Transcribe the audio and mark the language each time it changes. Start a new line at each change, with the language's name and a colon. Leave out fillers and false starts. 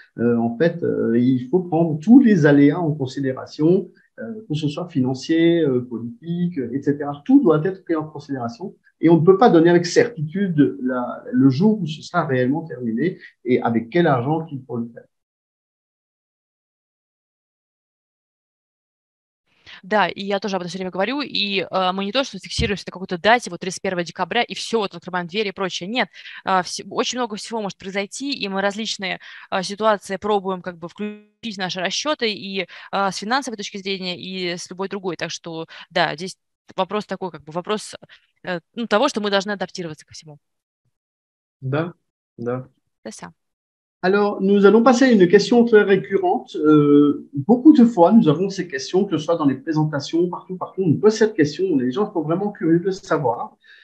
French: En fait, il faut prendre tous les aléas en considération, que ce soit financier, politique, etc. Tout doit être pris en considération. Et on ne peut pas donner avec certitude le jour où ce sera réellement terminé et avec quel argent qu'il faut le faire.
Russian: Да, и я тоже об этом все время говорю, и мы не то, что фиксируемся на какой-то дате, вот 31 декабря, и все, вот открываем двери и прочее. Нет, очень много всего может произойти, и мы различные ситуации пробуем как бы включить в наши расчеты и с финансовой точки зрения, и с любой другой. Так что, да, здесь вопрос такой, как бы вопрос ну, того, что мы должны адаптироваться ко всему. Да, да. Да, сам.
French: Alors, nous allons passer à une question très récurrente. Beaucoup de fois, nous avons ces questions, que ce soit dans les présentations, partout, on pose cette question, les gens sont vraiment curieux de savoir.